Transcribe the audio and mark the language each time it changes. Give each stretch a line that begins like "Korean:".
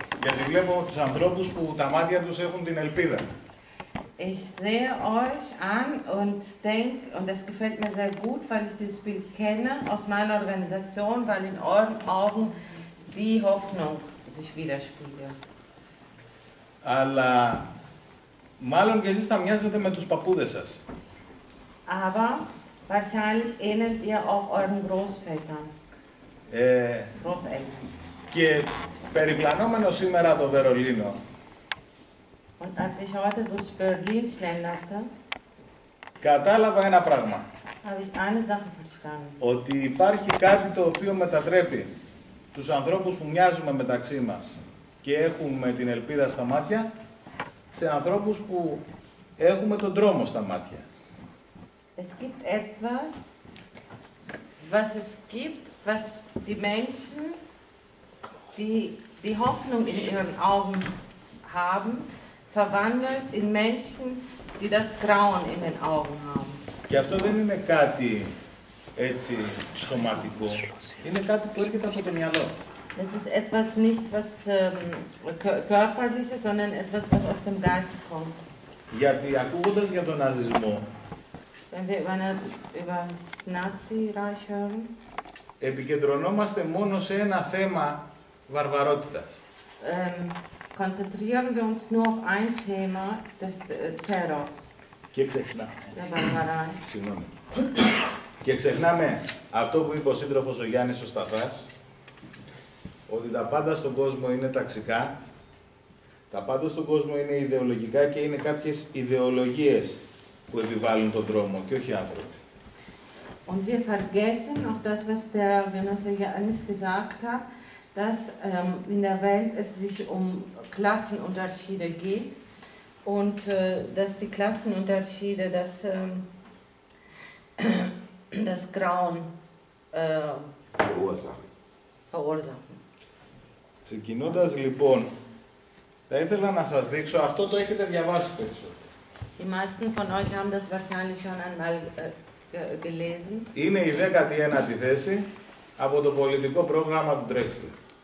Greek: Γιατί βλέπω τους ανθρώπους που τα μάτια τους έχουν την ελπίδα.
German: Ich sehe euch an und denk und das gefällt mir sehr gut, weil ich dieses Bild kenne aus meiner Organisation, weil in euren Augen die Hoffnung sich widerspiegelt.
Greek: Αλλά μάλλον και εσείς θα μοιάζετε με τους παππούδες σας.
German: Aber wahrscheinlich ähnelt ihr auch euren Großvätern. Großeltern.
Greek: Και περιπλανόμενο σήμερα το Βερολίνο.
German: Und als ich heute durch Berlin schlenderte,
Greek: κατάλαβα ένα πράγμα.
German: Habe ich eine Sache verstanden.
Greek: Ότι υπάρχει κάτι το οποίο μετατρέπει τους ανθρώπους που μοιάζουμε μεταξύ μας και έχουμε την ελπίδα στα μάτια, σε ανθρώπους που έχουμε τον τρόμο στα μάτια.
German: Es gibt etwas, was es gibt, was die Menschen, die Hoffnung in ihren Augen haben, verwandelt in Menschen, die das Grauen in den Augen haben.
Greek: Και αυτό δεν είναι κάτι έτσι σωματικό. Είναι κάτι που έρχεται από το μυαλό.
German: Es ist etwas nicht was körperliches, sondern etwas was aus dem Geist kommt.
Greek: Γιατί ακούγοντας για τον ναζισμό.
German: Wenn wir über das Nazireich hören.
Greek: Επικεντρωνόμαστε μόνο σε ένα θέμα βαρβαρότητας.
German: Konzentrieren wir uns nur auf ein Thema des Terrors.
Greek: Και ξεχνάμε.
German: Der Barbarei.
Greek: Συγγνώμη. Και ξεχνάμε αυτό που είπε ο σύντροφος ο Γιάννης ο Σταθάς. Ότι τα πάντα στον κόσμο είναι ταξικά, τα πάντα στον κόσμο είναι ιδεολογικά και είναι κάποιες ιδεολογίες που επιβάλλουν τον τρόμο και όχι άνθρωποι.
German: Und wir vergessen auch das, was der Genosse Janis gesagt hat, dass in der Welt es sich um Klassenunterschiede geht und dass die Klassenunterschiede das, das Grauen verursachen.
Greek: Ξεκινώντας λοιπόν, θα ήθελα να σας δείξω, αυτό το έχετε διαβάσει περισσότερο.
German: Οι meisten von euch haben das wahrscheinlich schon einmal gelesen.
Greek: Είναι η 19η θέση από το πολιτικό πρόγραμμα του Drexler.